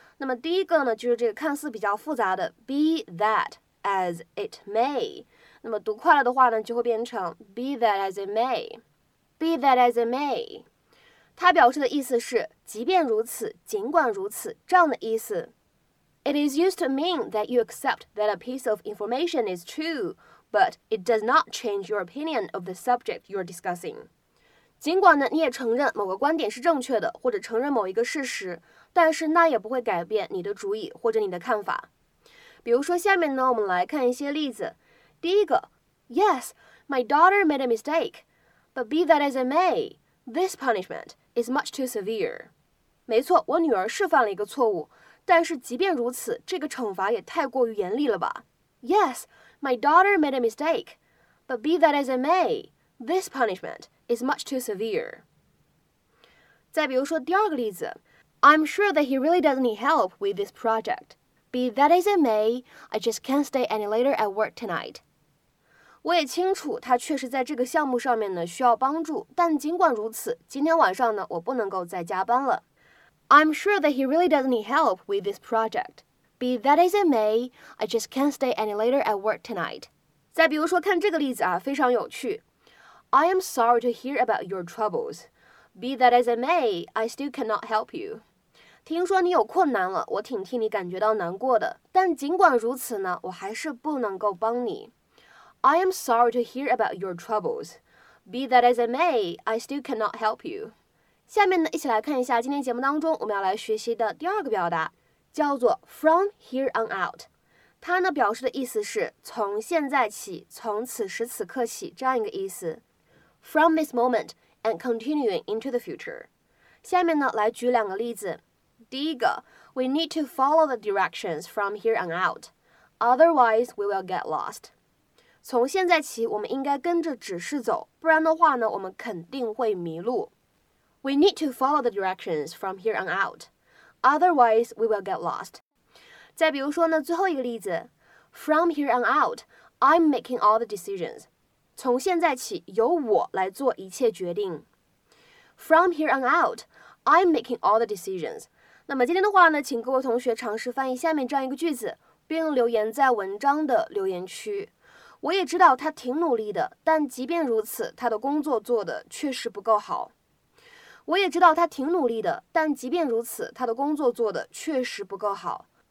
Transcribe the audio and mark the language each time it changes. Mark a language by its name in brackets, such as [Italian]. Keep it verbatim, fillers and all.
[Chinese] 那么第一个呢，就是这个看似比较复杂的 [English] be that as it may。 [Chinese] 那么读快了的话呢，就会变成 [English] be that as it may, be that as it may。 [Chinese] 它表示的意思是即便如此，尽管如此这样的意思。 [English] It is used to mean that you accept that a piece of information is true. But it does not change your opinion of the subject you're discussing. [Chinese] 尽管呢，你也承认某个观点是正确的，或者承认某一个事实，但是那也不会改变你的主意或者你的看法。比如说，下面呢，我们来看一些例子。第一个 [English] ，Yes, my daughter made a mistake, but be that as it may, this punishment is much too severe. [Chinese] 没错，我女儿是犯了一个错误，但是即便如此，这个惩罚也太过于严厉了吧。 [English] Yes. My daughter made a mistake, but be that as it may, this punishment is much too severe. [Chinese] 再比如说第二个例子 [English] I'm sure that he really doesn't need help with this project. Be that as it may, I just can't stay any later at work tonight. [Chinese] 我也清楚他确实在这个项目上面呢需要帮助，但尽管如此，今天晚上呢我不能够再加班了。 [English] I'm sure that he really doesn't need help with this project. Be that as it may, I just can't stay any later at work tonight. [Chinese] 再比如说看这个例子啊，非常有趣。 [English] I am sorry to hear about your troubles. Be that as it may, I still cannot help you. [Chinese] 听说你有困难了，我挺替你感觉到难过的。但尽管如此呢，我还是不能够帮你。 [English] I am sorry to hear about your troubles. Be that as it may, I still cannot help you. [Chinese] 下面呢，一起来看一下今天节目当中我们要来学习的第二个表达，叫做 [English] from here on out。 [Chinese] 它呢表示的意思是从现在起，从此时此刻起这样一个意思。 [English] From this moment and continuing into the future。 [Chinese] 下面呢来举两个例子。第一个 [English] ，We need to follow the directions from here on out, otherwise we will get lost。 [Chinese] 从现在起，我们应该跟着指示走，不然的话呢，我们肯定会迷路。 [English] We need to follow the directions from here on out, otherwise we will get lost。 [Chinese] 再比如说呢，最后一个例子 [English] ，From here on out, I'm making all the decisions。 [Chinese] 从现在起，由我来做一切决定。 [English] From here on out, I'm making all the decisions。 [Chinese] 那么今天的话呢，请各位同学尝试翻译下面这样一个句子，并留言在文章的留言区。我也知道他挺努力的，但即便如此，他的工作做得确实不够好。我也知道他挺努力的，但即便如此，他的工作做得确实不够好。